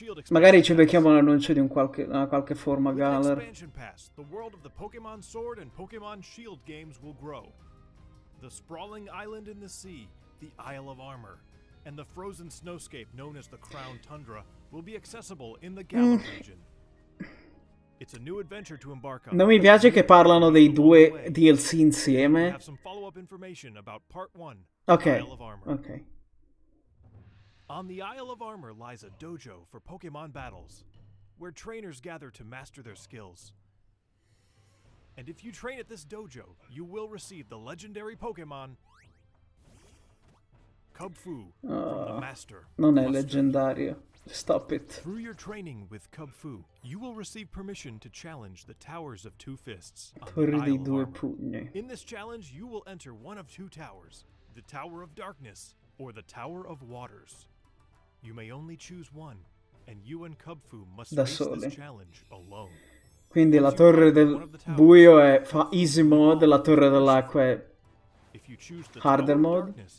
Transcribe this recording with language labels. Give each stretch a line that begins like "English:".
Italian: Magari ci becchiamo l'annuncio di una qualche forma Galar.
English: The world of the Pokémon Sword and Pokémon Shield games will grow. The sprawling island in the sea, the Isle of Armor, and the frozen snowscape known as the Crown Tundra will be accessible in the Galar region. It's a new adventure to embark on.
Italian: Non mi piace che parlano dei due DLC insieme.
English: Have some follow-up information about part one. Okay. Isle of Armor. Okay. On the Isle of Armor lies a dojo for Pokemon battles, where trainers gather to master their skills. And if you train at this dojo, you will receive the legendary Pokemon Kubfu from the Master.
Italian: Non è leggendario. Stop it.
English: Through your training with Kubfu, you will receive permission to challenge the Towers of Two Fists.
Italian: Torri di due pugni.
English: In this challenge, you will enter one of two towers. The Tower of Darkness or the Tower of Waters. You may only choose one, and you and Kubfu must face this challenge alone.
Italian: Quindi la Torre del Buio è easy mode, la Torre dell'Acqua è harder mode.